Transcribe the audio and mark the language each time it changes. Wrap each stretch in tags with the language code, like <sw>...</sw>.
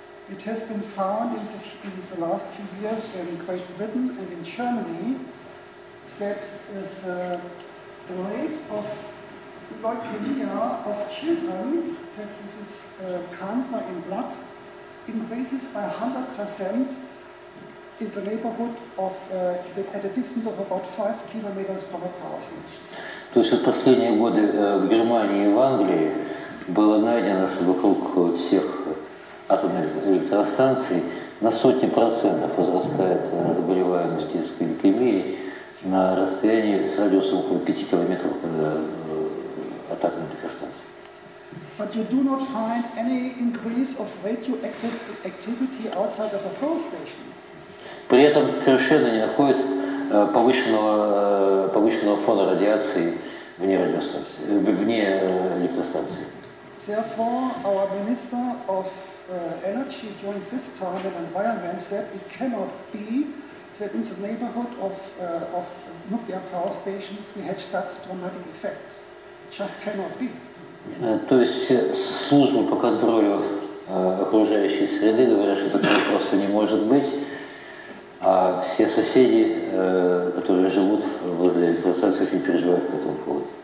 <en>It has been found in the last few years in Great Britain and in Germany that the rate of leukemia of children, that this is cancer in blood, increases by 100% in the neighborhood of at a distance of about 5 kilometers from a power station.</en> <ru>То есть в последние годы в Германии и в Англии было найдено, что вокруг всех атомных электростанций на сотни процентов возрастает заболеваемость детской лейкемии на расстоянии с радиусом около 5 километров от атомной электростанции.</ru> <en>But you do not find any increase of radioactive activity outside of a power station.</en> <ru>При этом совершенно не находится повышенного фона радиации вне радиостанции, вне электростанции.</ru> <en>Therefore, our Minister of Energy during this time and environment said it cannot be that in the neighborhood of nuclear power stations we had such dramatic effect. It just cannot be.</en> <ru>То есть службы по контролю окружающей среды говорят, что такое просто не может быть, а все соседи, которые живут возле электростанции, очень переживают по этому поводу.</ru>